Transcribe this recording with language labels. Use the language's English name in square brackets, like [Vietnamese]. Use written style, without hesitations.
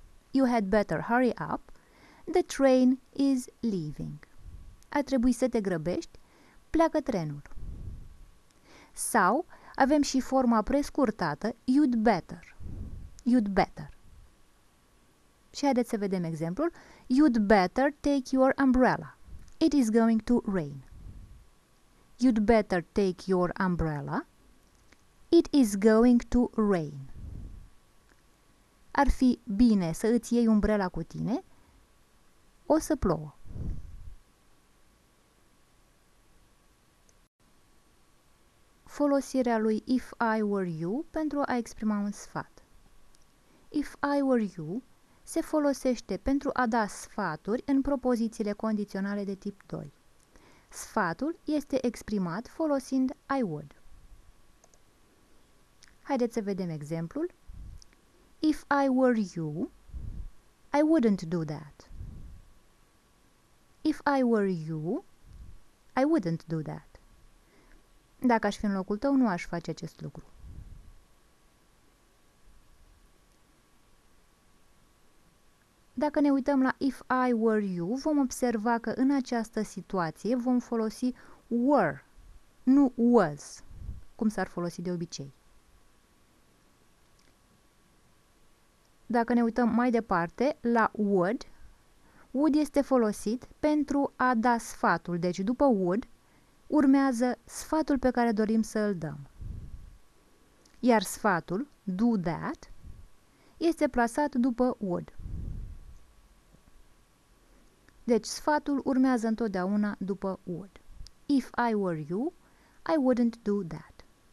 [English] You had better hurry up. The train is leaving. [Romanian] Ar trebui să te grăbești. Pleacă trenul. Sau avem și forma prescurtată [English] you'd better. You'd better. [Romanian] Și haideți să vedem exemplul. [English] You'd better take your umbrella. It is going to rain. You'd better take your umbrella. It is going to rain. [Romanian] Ar fi bine să îți iei umbrela cu tine. O să plouă. Folosirea lui [English] if I were you [Romanian] pentru a exprima un sfat. [English] If I were you [Romanian] se folosește pentru a da sfaturi în propozițiile condiționale de tip 2. Sfatul este exprimat folosind I would. Haideți să vedem exemplul. [English] If I were you, I wouldn't do that. If I were you, I wouldn't do that. [Romanian] Dacă aș fi în locul tău, nu aș face acest lucru. Dacă ne uităm la [English] if I were you, [Romanian] vom observa că în această situație vom folosi were, nu was, cum s-ar folosi de obicei. Dacă ne uităm mai departe la would, would este folosit pentru a da sfatul, deci după would urmează sfatul pe care dorim să îl dăm. Iar sfatul, [English] do that, [Romanian] este plasat după would. Deci sfatul urmează întotdeauna după would. [English] If I were you, I wouldn't do that.